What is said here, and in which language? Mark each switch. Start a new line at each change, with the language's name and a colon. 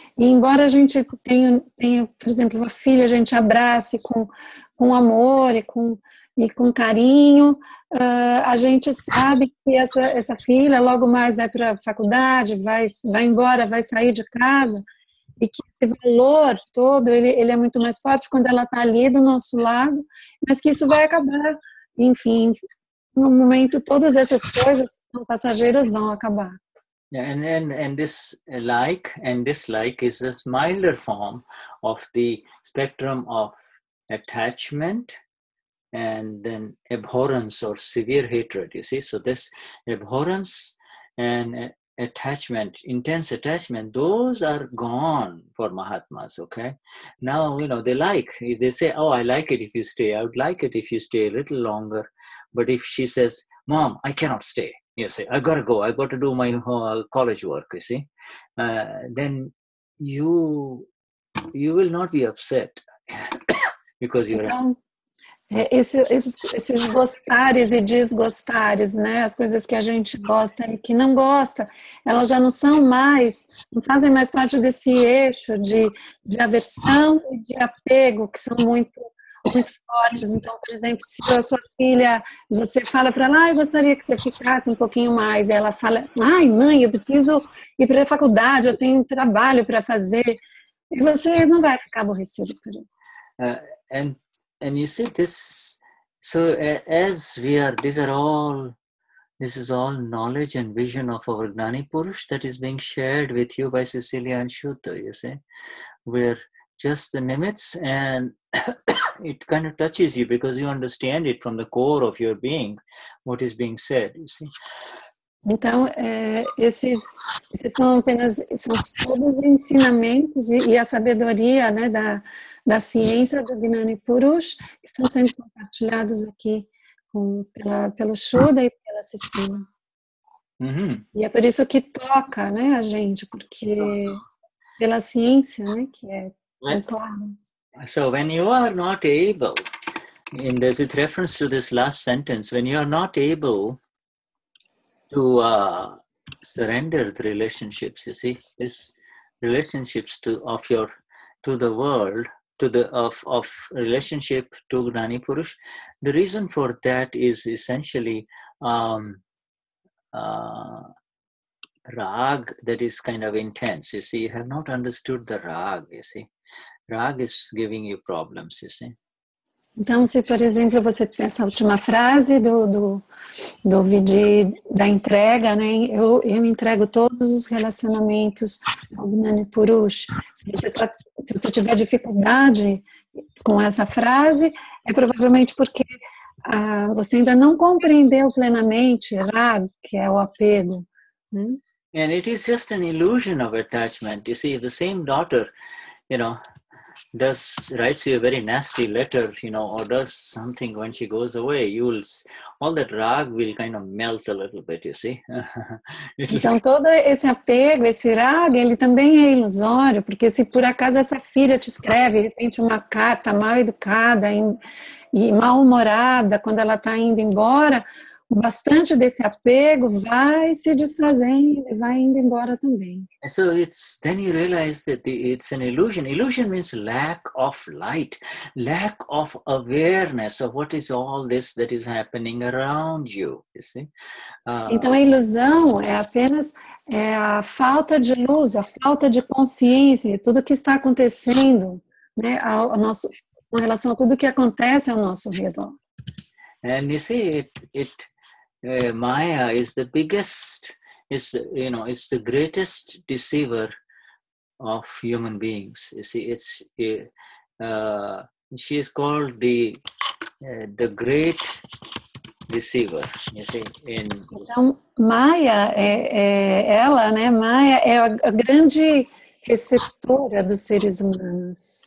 Portuguese: E embora a gente tenha, por exemplo, uma filha, a gente abrace com amor e com carinho, a gente sabe que essa filha logo mais vai para a faculdade, vai embora, vai sair de casa, e que esse valor todo, ele é muito mais forte quando ela está ali do nosso lado, mas que isso vai acabar, enfim. No momento, todas essas coisas são passageiras, vão acabar.
English: Yeah, and this like and dislike is a milder form of the spectrum of attachment and then abhorrence or severe hatred, you see. So this abhorrence and attachment, intense attachment, those are gone for Mahatmas, okay? Now, you know, they like. If they say, oh, I like it if you stay. I would like it if you stay a little longer. But if she says, Mom, I cannot stay, you say, I got to go, I got to do my college work, you see, then you will not be upset because you're...
Portuguese: Então, esses gostares e desgostares, né, as coisas que a gente gosta e que não gosta, elas já não são mais, não fazem mais parte desse eixo de aversão e de apego, que são muito... muito fortes. Então, por exemplo, se a sua filha, você fala para ela, ah, eu gostaria que você ficasse um pouquinho mais, e ela fala, ai, mãe, eu preciso ir para a faculdade, eu tenho um trabalho para fazer, e você não vai ficar aborrecido por isso.
English: And you see this, so as we are, this is all knowledge and vision of our Gnani Purush that is being shared with you by Cecilia and Shuta, you see, where just the nimits and it kind of touches you because you understand it from the core of your being, what is being said, you see.
Portuguese: Então, esses são apenas, são todos os ensinamentos e a sabedoria, né, da ciência do Gnani Purush que estão sendo compartilhados aqui pelo Shuddha e pela Cecília. Uhum. E é por isso que toca, né, a gente, porque pela ciência, né, que é
English: So when you are not able, in the, with reference to this last sentence, when you are not able to surrender the relationships, you see, this relationships to of your to the world, to the of relationship to Gnani Purush. The reason for that is essentially rag that is kind of intense. You see, you have not understood the rag, you see. Rag is giving you problems, you see.
Portuguese: Então, se, por exemplo, você tem essa última frase do vídeo da entrega, né? Eu me entrego todos os relacionamentos ao Gnani Purush. Se você tiver dificuldade com essa frase, é provavelmente porque você ainda não compreendeu plenamente rag, que é o apego. Né?
English: And it is just an illusion of attachment. You see, the same daughter, you know, writes you a very nasty letter, you know, or does something when she goes away, all that rag will kind of melt a little bit, you see.
Portuguese: Então, todo esse apego, esse rag, ele também é ilusório, porque se por acaso essa filha te escreve, de repente, uma carta mal educada e mal-humorada, quando ela está indo embora, bastante desse apego vai se desfazendo e vai indo embora também.
English: So it's, then you realize that it's an illusion. Illusion means lack of light, lack of awareness of what is all this that is happening around you, you see?
Portuguese: Então a ilusão é apenas a falta de luz, a falta de consciência, tudo que está acontecendo, né, com relação a tudo que acontece ao nosso redor.
English: And you see, Maya is the biggest, it's the greatest deceiver of human beings. You see, she is called the great deceiver. You see, in
Portuguese: então, Maya, ela, né? Maya é a grande receptora dos seres humanos.